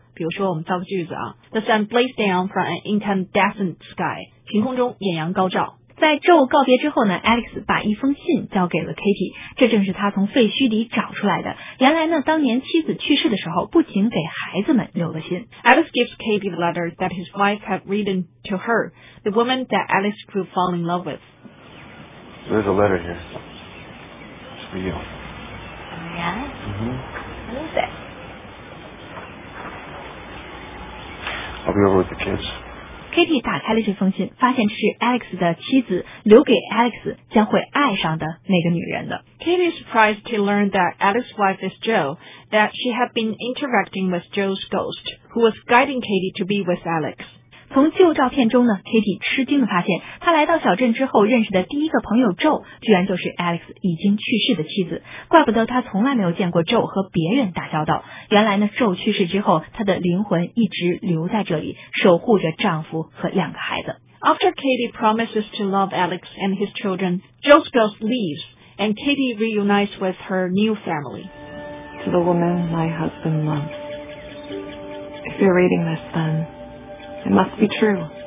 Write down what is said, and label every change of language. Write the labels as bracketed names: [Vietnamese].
[Chinese] 比如说我们造个句子啊， [English] The sun blazed down from an incandescent sky. [Chinese] 晴空中艳阳高照。在 Joe 告别之后呢， Alex 把一封信交给了 Katie， 这正是他从废墟里找出来的。原来呢，当年妻子去世的时候不仅给孩子们留了信。 [English] Alex gives Katie the letter that his wife had written to her, the woman that Alex could fall in love with. There's a letter here. It's for you. Yeah? Mm-hmm. What is it? I'll be over with the kids. [Chinese] Katie 打开了这封信，发现这是 Alex 的妻子留给 Alex 将会爱上的那个女人的。 [English] Katie is surprised to learn that Alex's wife is Joe, that she had been interacting with Joe's ghost, who was guiding Katie to be with Alex. [Chinese] 从旧照片中呢 ，Katie 吃惊地发现，她来到小镇之后认识的第一个朋友 Joe， 居然就是 Alex 已经去世的妻子。怪不得她从来没有见过 Joe 和别人打交道。原来呢 ，Joe 去世之后，她的灵魂一直留在这里，守护着丈夫和两个孩子。 [English] After Katie promises to love Alex and his children, Joe's ghost leaves, and Katie reunites with her new family. To the woman my husband loves, if you're reading this, then. It must be true.